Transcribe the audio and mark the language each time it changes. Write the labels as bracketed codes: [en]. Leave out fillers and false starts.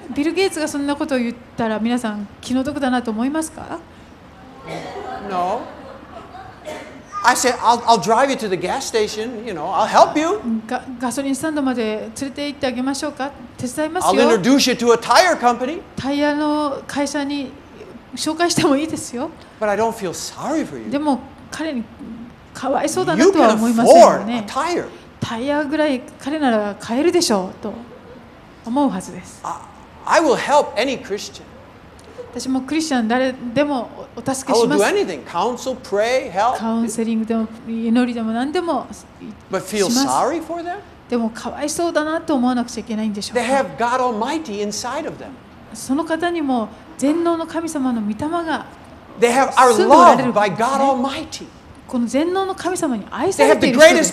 [ja] ビル・ゲイツがそんなことを言ったら皆さん気の毒だなと思いますか？ [en] No. I said, I'll drive you to the gas station. You know, I'll help you. [ja] ガソリンスタンドまで連れて行ってあげましょうか。手伝いますよ。 [en] I'll introduce you to a tire company. [ja] タイヤの会社に紹介してもいいですよ。 [en] But I don't feel sorry for you. [ja] でも彼にかわいそうだなとは思いませんよね。 [en] You can afford a tire. [ja] タイヤぐらい彼なら買えるでしょうと思うはずです。 [en] I will help any Christian. [ja] 私もクリスチャン誰でもお助けします。 [en] Counsel, pray, help. [ja] カウンセリングでも祈りでも何でもします。 [en] But feel sorry for them? [ja] でもかわいそうだなと思わなくちゃいけないんでしょうか。 [en] They have God Almighty inside of them. [ja] その方にも全能の神様の御霊が [en] They have our love by God Almighty. [ja] この全能の神様に愛されている人です。